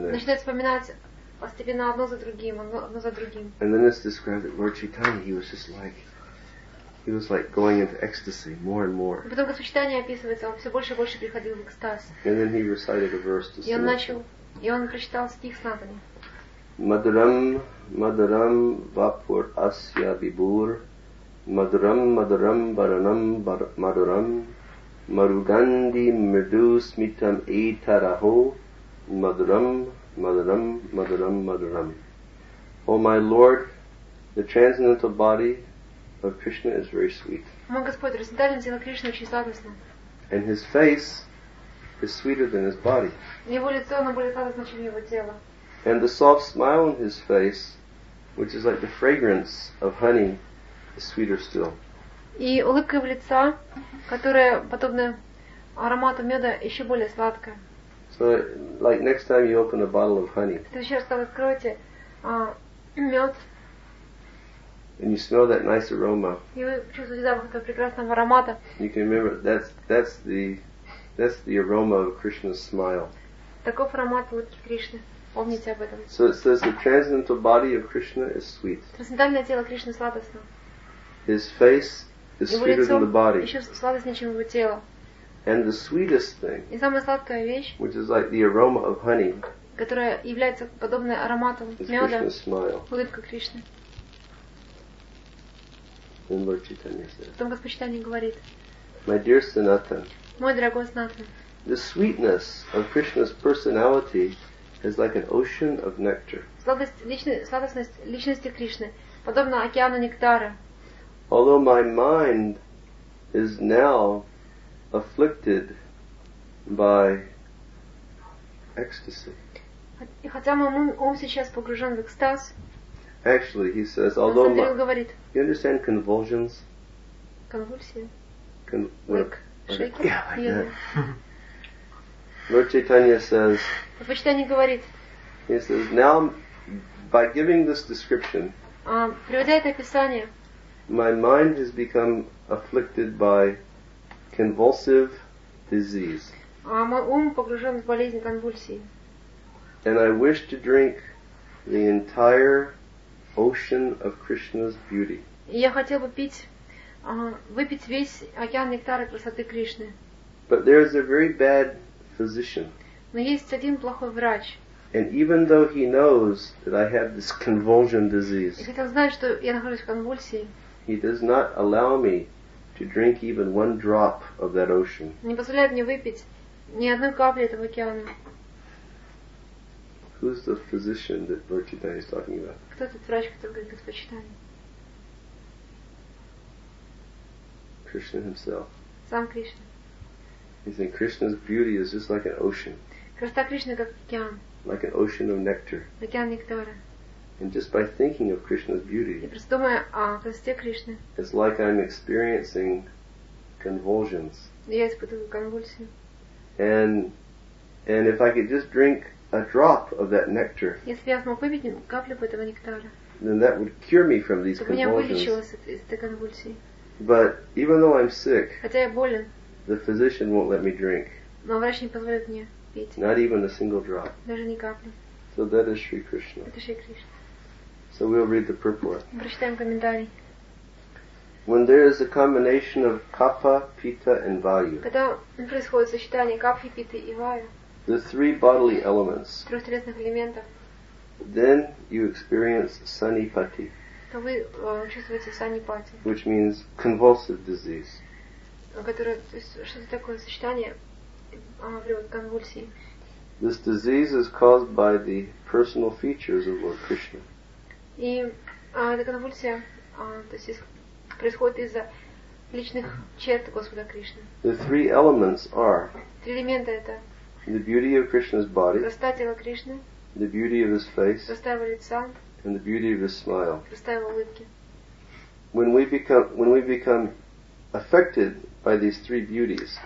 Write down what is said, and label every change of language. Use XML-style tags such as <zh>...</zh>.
<ru>Начинает вспоминать постепенно одно за другим, одно за другим.</ru> <en>And then it's described that Lord Chaitanya, he was like going into ecstasy more and more.</en> <ru>Потом Господь Чайтанья описывается, он все больше и больше приходил в экстаз.</ru> <en>And then he recited a verse to Sanatana.</en> <ru>И он прочитал стих Санатаны. Madaram, madaram, vapur asya vibhur. Madaram, madaram, varanam, madaram. Marugandhi, mridu, smitam, etaraho. Madaram, madaram, madaram, madaram.</ru> <en>O my Lord, the transcendental body of Krishna is very sweet.</en> <ru>Мой Господь, трансцендентное тело Кришны очень сладостно.</ru> <en>And his face is sweeter than his body.</en> <ru>Его лицо, оно более сладостно, чем его тело.</ru> <en>And the soft smile on his face, which is like the fragrance of honey, is sweeter still.</en> <ru>И улыбка в лице, которая подобна аромату меда, еще более сладкая.</ru> <en>So, like next time you open a bottle of honey.</en> <ru>В следующий раз, когда откроете мед.</ru> <en>And you smell that nice aroma.</en> <ru>И вы чувствуете запах этого прекрасного аромата.</ru> <en>You can remember that's the aroma of Krishna's smile.</en> <ru>Таков аромат улыбки Кришны. Помните об этом.</ru> <en>So it says the transcendental body of Krishna is sweet.</en> <ru>Трансцендентное тело Кришны сладостно.</ru> <en>His face is sweeter than the body.</en> <ru>Еще сладостнее, чем его тело.</ru> <en>And the sweetest thing.</en> <ru>И самая сладкая вещь.</ru> <en>Which is like the aroma of honey.</en> <ru>Которая является подобной аромату меда.</ru> <en>Krishna's smile.</en> <ru>Улыбка Кришны.</ru> <en>And Lord Chaitanya says.</en> <ru>Потом Господь Чайтанья говорит.</ru> <en>My dear Sanatan.</en> <ru>Мой дорогой Санатан.</ru> <en>The sweetness of Krishna's personality is like an ocean of nectar.</en> <ru>Сладостность личности Кришны подобна океану нектара.</ru> <en>Although my mind is now afflicted by ecstasy.</en> <ru>И хотя мой ум сейчас погружен в экстаз.</ru> <en>Actually, he says, although</en> <ru>my. Говорит.</ru> <en>You understand convulsions? Convulsion. Like shaking. Yeah, like that. Lord Chaitanya says.</en> <ru>Господь Чайтанья говорит.</ru> <en>He says, now, by giving this description.</en> <ru>Приводя это описание.</ru> <en>My mind has become afflicted by convulsive disease.</en> <ru>Мой ум погружен в болезнь конвульсии.</ru> <en>And I wish to drink the entire ocean of Krishna's beauty.</en> <ru>И я хотел бы выпить весь океан нектара красоты Кришны.</ru> <en>But there is a very bad physician.</en> <ru>Но есть один плохой врач.</ru> <en>And even though he knows that I have this convulsion disease.</en> <ru>И хотя он знает, что я нахожусь в конвульсии.</ru> <en>He does not allow me to drink even one drop of that ocean.</en> <ru>Не позволяет мне выпить ни одной капли этого океана.</ru> <en>Who's the physician that Lord Chaitanya is talking about?</en> <ru>Кто этот врач, который говорит Господь Чайтанья?</ru> <en>Krishna himself.</en> <ru>Сам Кришна.</ru> <en>You think Krishna's beauty is just like an ocean.</en> <ru>Красота Кришны как океан.</ru> <en>Like an ocean of nectar.</en> <ru>Океан нектара.</ru> <en>And just by thinking of Krishna's beauty.</en> <ru>И просто думая о красоте Кришны.</ru> <en>It's like I'm experiencing convulsions.</en> <ru>Я испытываю конвульсии.</ru> <en>And if I could just drink a drop of that nectar.</en> <ru>Если я смог выпить каплю этого нектара.</ru> <en>Then that would cure me from these convulsions.</en> <ru>Меня вылечило от конвульсий.</ru> <en>But even though I'm sick.</en> <ru>Хотя я болен.</ru> <en>The physician won't let me drink.</en> <ru>Но врач не позволит мне пить.</ru> <en>Not even a single drop.</en> <ru>Даже ни капли.</ru> <en>So that is Sri Krishna.</en> <ru>Это Шри Кришна.</ru> <en>So we'll read the purport.</en> <ru>Прочитаем комментарий.</ru> <en>When there is a combination of kapha, pitta, and vayu,</en> <ru>когда происходит сочетание капхи, питы и ваю,</ru> <en>the three bodily elements,</en> <ru>трех телесных элементов,</ru> <en>then you experience sannipati,</en> <ru>то вы чувствуете sannipati,</ru> <en>which means convulsive disease,</en> <ru>которое, то есть, что-то такое сочетание, приводит к конвульсии.</ru> <en>This disease is caused by the personal features of Lord Krishna.</en> <ru>И эта конвульсия, то есть, происходит из-за личных черт Господа Кришны.</ru> <en>The three elements are.</en> <ru>Три элемента это.</ru> <en>The beauty of Krishna's body.</en> <ru>Красота тела Кришны.</ru> <en>The beauty of his face.</en> <ru>Красота его лица.</ru> <en>And the beauty of his smile.</en> <ru>Красота его улыбки.</ru> <en>When we become affected by these three beauties.</en>